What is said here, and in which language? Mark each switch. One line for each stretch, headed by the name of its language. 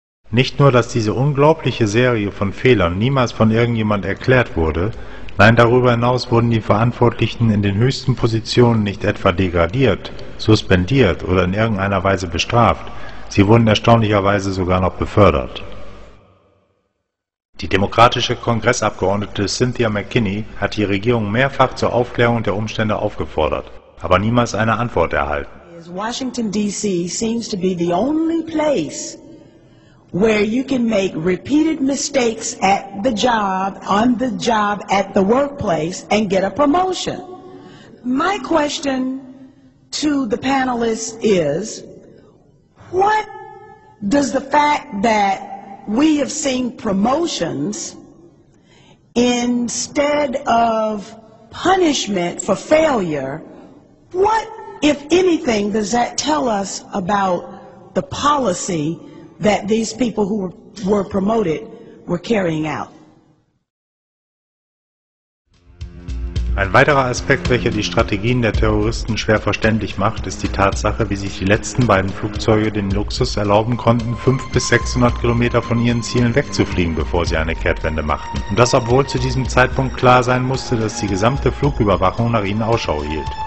German: Nicht nur, dass diese unglaubliche Serie von Fehlern niemals von irgendjemand erklärt wurde, nein, darüber hinaus wurden die Verantwortlichen in den höchsten Positionen nicht etwa degradiert, suspendiert oder in irgendeiner Weise bestraft, sie wurden erstaunlicherweise sogar noch befördert. Die demokratische Kongressabgeordnete Cynthia McKinney hat die Regierung mehrfach zur Aufklärung der Umstände aufgefordert, aber niemals eine Antwort erhalten.
English: Washington D.C. seems to be the only place where you can make repeated mistakes at the job, on the job, at the workplace, and get a promotion. My question to the panelists is, what does the fact that we have seen promotions instead of punishment for failure, what, if anything, does that tell us about the policy that these people who were promoted were carrying out?
German: Ein weiterer Aspekt, welcher die Strategien der Terroristen schwer verständlich macht, ist die Tatsache, wie sich die letzten beiden Flugzeuge den Luxus erlauben konnten, 500 bis 600 Kilometer von ihren Zielen wegzufliegen, bevor sie eine Kehrtwende machten. Und das, obwohl zu diesem Zeitpunkt klar sein musste, dass die gesamte Flugüberwachung nach ihnen Ausschau hielt.